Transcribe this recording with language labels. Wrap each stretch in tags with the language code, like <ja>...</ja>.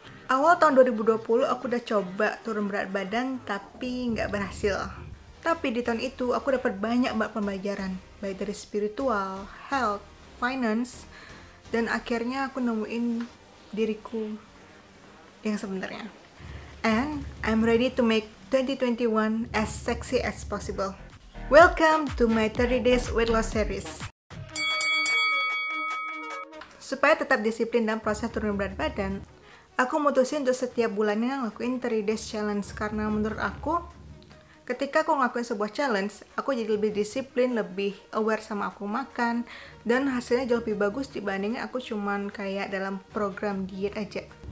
<id>Awal tahun 2020, aku udah coba turun berat badan, tapi nggak berhasil. Tapi di tahun itu, aku dapat banyak banget pembelajaran, baik dari spiritual, health, finance, dan akhirnya aku nemuin diriku yang sebenarnya.</id> <en>And I'm ready to make 2021 as sexy as possible. Welcome to my 30 days weight loss series.</en> <id>Supaya tetap disiplin dalam proses turun berat badan, aku mutusin untuk setiap bulannya ngelakuin 30 days challenge, karena menurut aku, ketika aku ngelakuin sebuah challenge, aku jadi lebih disiplin, lebih aware sama aku makan, dan hasilnya jauh lebih bagus dibandingin aku cuman kayak dalam program diet aja.</id>